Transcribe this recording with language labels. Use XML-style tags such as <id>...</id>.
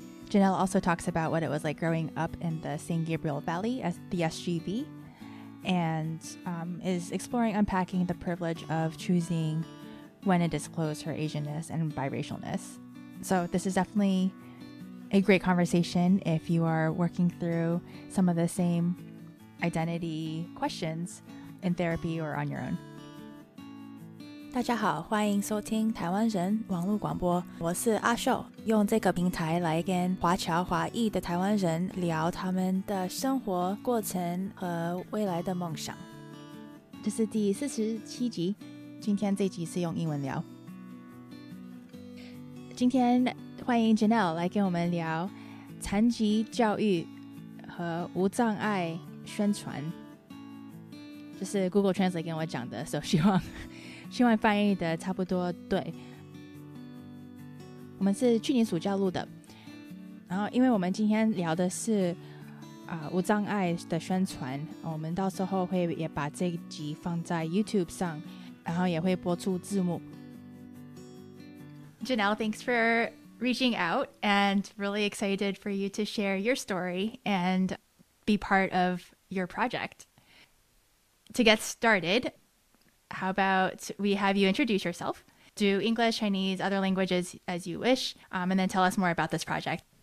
<en>Janelle also talks about what it was like growing up in the San Gabriel Valley as the SGV and is exploring unpacking the privilege of choosing when to disclose her Asianness and biracialness. So this is definitely a great conversation if you are working through some of the same identity questions in therapy or on your own.</en> <zh>大家好，欢迎收听台湾人网络广播，我是阿秀，用这个平台来跟华侨华裔的台湾人聊他们的生活过程和未来的梦想。这是第47集，今天这集是用英文聊。今天欢迎 Janelle 来跟我们聊残疾教育和无障碍宣传，这是 Google Translate 跟我讲的，所以希望翻译的差不多对。我们是去年暑假录的，然后因为我们今天聊的是无障碍的宣传，我们到时候会也把这一集放在 YouTube 上，然后也会播出字幕。</zh> <en>Janelle, thanks for reaching out and really excited for you to share your story and be part of your project. To get started,How about we have you introduce yourself? Do English, Chinese, other languages as you wish, and then tell us more about this project.</en>